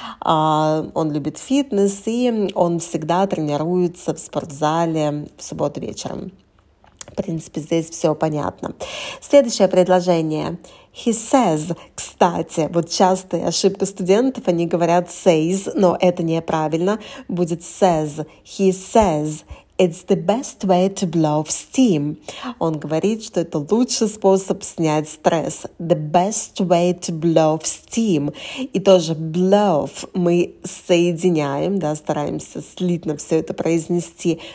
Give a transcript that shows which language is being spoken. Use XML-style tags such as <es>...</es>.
<ru>Он любит фитнес, и он всегда тренируется в спортзале в субботу вечером. В принципе, здесь все понятно. Следующее предложение.</ru> <en>He says,</en> <ru>кстати, вот частая ошибка студентов, они говорят says, но это неправильно. Будет says.</ru> <en>He says. It's the best way to blow off steam.</en> <ru>Он говорит, что это лучший способ снять стресс.</ru> <en>The best way to blow off steam.</en> <ru>И тоже blow off мы соединяем, да, стараемся слитно все это произнести.</ru>